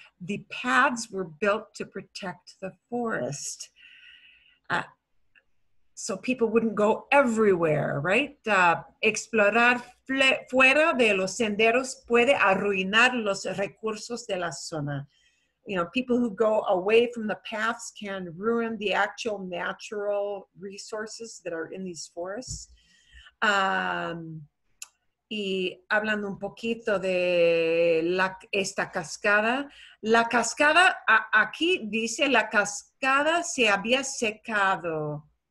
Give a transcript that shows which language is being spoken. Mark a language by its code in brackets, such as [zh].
[en] The paths were built to protect the forest. So people wouldn't go everywhere, right? [es] Explorar fuera de los senderos puede arruinar los recursos de la zona. [en] You know, people who go away from the paths can ruin the actual natural resources that are in these forests. [es] Y hablando un poquito de esta cascada, la cascada, aquí dice la cascada se había secado.